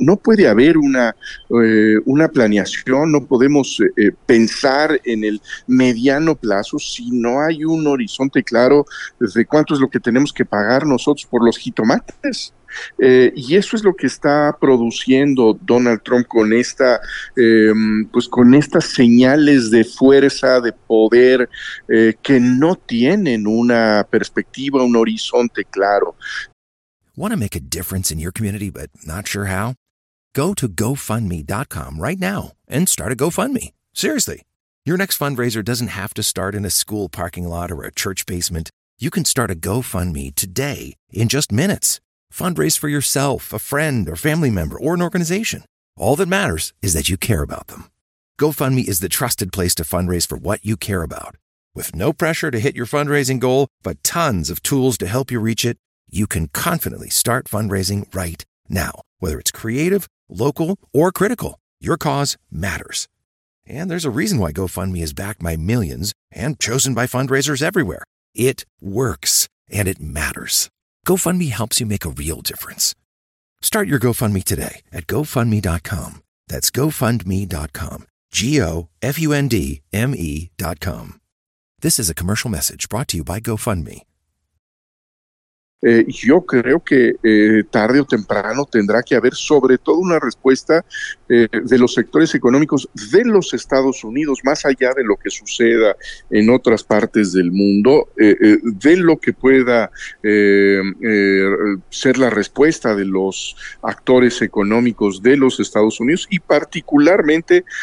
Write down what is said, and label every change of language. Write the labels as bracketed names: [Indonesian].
[Spanish] No puede haber una planeación, no podemos pensar en el mediano plazo si no hay un horizonte claro de cuánto es lo que tenemos que pagar nosotros por los jitomates. Y eso es lo que está produciendo Donald Trump con esta pues con estas señales de fuerza, de poder, que no tienen una perspectiva, un horizonte claro. [English] Want to make a difference in your community but not sure how? Go to GoFundMe.com right now and start a GoFundMe. Seriously, your next fundraiser doesn't have to start in a school parking lot or a church basement. You can start a GoFundMe today in just minutes. Fundraise for yourself, a friend, or family member, or an organization. All that matters is that you care about them. GoFundMe is the trusted place to fundraise for what you care about. With no pressure to hit your fundraising goal, but tons of tools to help you reach it, you can confidently start fundraising right now. Whether it's creative, local, or critical, your cause matters. And there's a reason why GoFundMe is backed by millions and chosen by fundraisers everywhere. It works, and it matters. GoFundMe helps you make a real difference. Start your GoFundMe today at GoFundMe.com. That's GoFundMe.com. GoFundMe.com. This is a commercial message brought to you by GoFundMe. [Spanish] Yo creo que tarde o temprano tendrá que haber sobre todo una respuesta de los sectores económicos de los Estados Unidos, más allá de lo que suceda en otras partes del mundo, de lo que pueda ser la respuesta de los actores económicos de los Estados Unidos, y particularmente